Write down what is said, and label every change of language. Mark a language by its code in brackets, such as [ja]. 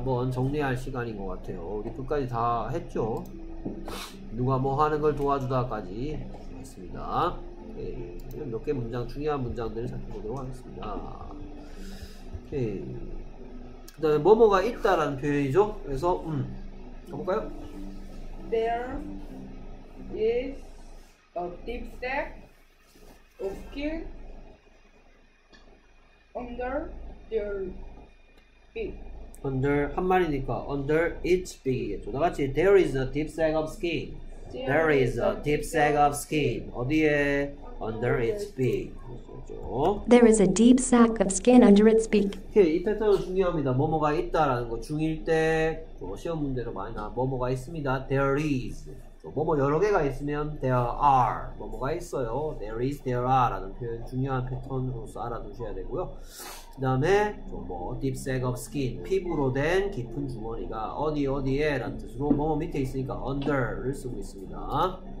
[ko] 한번 정리할 시간인 것 같아요. 우리 끝까지 다 했죠. 누가 뭐 하는 걸 도와주다까지 했습니다. 네, 몇 개 문장 중요한 문장들을 살펴보도록 하겠습니다. 네. 그 다음에 뭐뭐가 있다라는 표현이죠. 그래서 가볼까요? [en] There is a deep stack of skin under their feet. Under [ko] 한 마리니까 [en] under its feet겠죠. [ko] 다 같이 [en] there is a deep sack of skin. There is a deep sack of skin. [ko] 어디에? [en] Under its feet. There is a deep sack of skin under its feet. [ko] 이 패턴은 중요합니다. 뭐뭐가 있다라는 거 중일 때 시험 문제로 많이 나. 뭐뭐가 있습니다. [en] There is. [ko] 뭐뭐 여러 개가 있으면 [en] there are [ko] 뭐뭐가 있어요. [en] There is, there are [ko] 라는 표현 중요한 패턴으로서 알아두셔야 되고요. 그 다음에 뭐 [en] deep sack of skin [ko] 피부로 된 깊은 주머니가 어디 어디에 라는 뜻으로 뭐뭐 밑에 있으니까 under를 쓰고 있습니다.